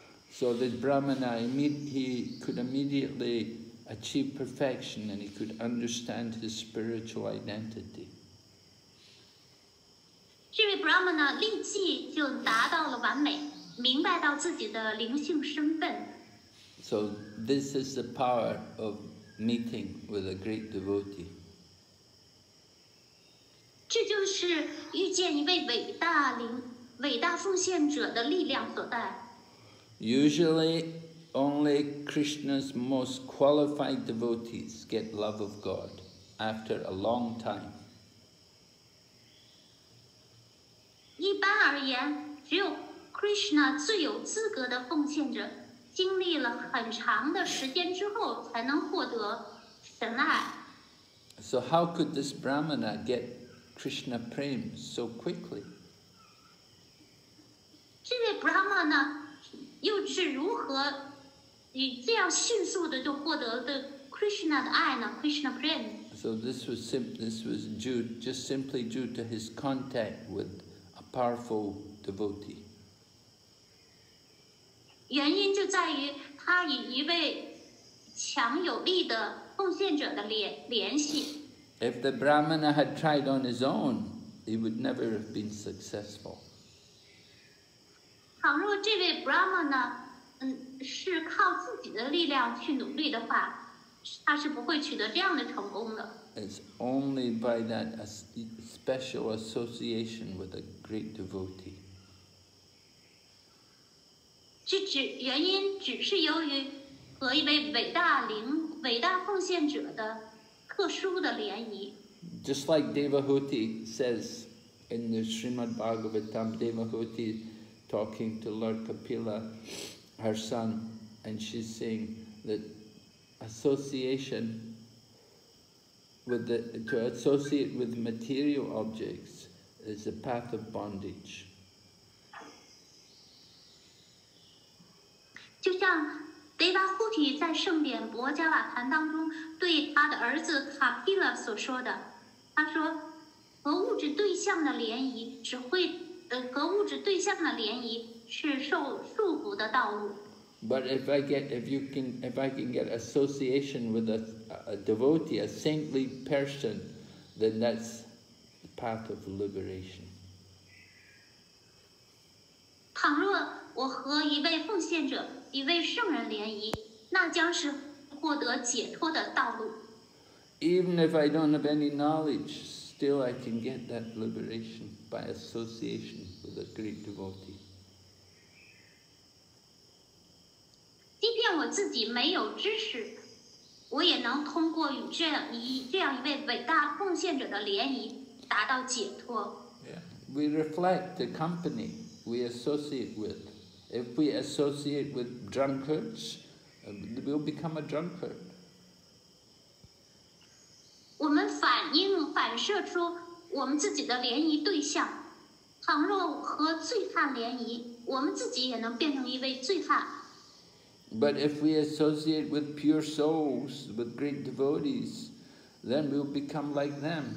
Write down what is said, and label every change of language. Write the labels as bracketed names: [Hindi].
[English] So the Brahmana, he could immediately achieve perfection, and he could understand his spiritual identity. [Chinese] 这位 Brahmana 立即就达到了完美，明白到自己的灵性身份。 [English] So this is the power of meeting with a great devotee. [Chinese] 这就是遇见一位伟大奉献者的力量所在。 [English] Usually, only Krishna's most qualified devotees get love of God after a long time. [Chinese] 一般而言，只有 Krishna 最有资格的奉献者，经历了很长的时间之后，才能获得神爱。 [English] So how could this Brahmana get Krishna prem so quickly? [Chinese] 这位 Brahmana 又是如何以这样迅速的就获得的 Krishna 的爱呢？Krishna prem. [English] So this was due just simply due to his contact with a powerful devotee. [Chinese] 原因就在于他与一位强有力的奉献者的联系。 [English] If the Brahmana had tried on his own, he would never have been successful. [Chinese] 倘若这位 Brahmana是靠自己的力量去努力的话，他是不会取得这样的成功的。 [English] It's only by that special association with a great devotee. [Chinese] 原因只是由于和一位伟大奉献者的特殊的联谊。 [English] Just like Devahuti says in the Srimad Bhagavatam, Devahuti talking to Lord Kapila, her son, and she's saying that to associate with material objects is the path of bondage. [Chinese] 就像 Devahuti 在圣典博加瓦坛当中对他的儿子 Kapila 所说的，他说和物质对象的联谊只会和物质对象的联谊是受束缚的道路。 [English] But if I can get association with a devotee, a saintly person, then that's the path of liberation. [Chinese] 倘若我和一位奉献者、一位圣人联谊，那将是获得解脱的道路。 [English] Even if I don't have any knowledge, still I can get that liberation by association with a great devotee. [Chinese] 即便我自己没有知识，我也能通过与这样一位伟大奉献者的联谊达到解脱。 [English] Yeah. We reflect the company we associate with. If we associate with drunkards, we'll become a drunkard. [Chinese] 我们反射出我们自己的联谊对象，倘若和醉汉联谊，我们自己也能变成一位醉汉。 [English] But if we associate with pure souls, with great devotees, then we'll become like them.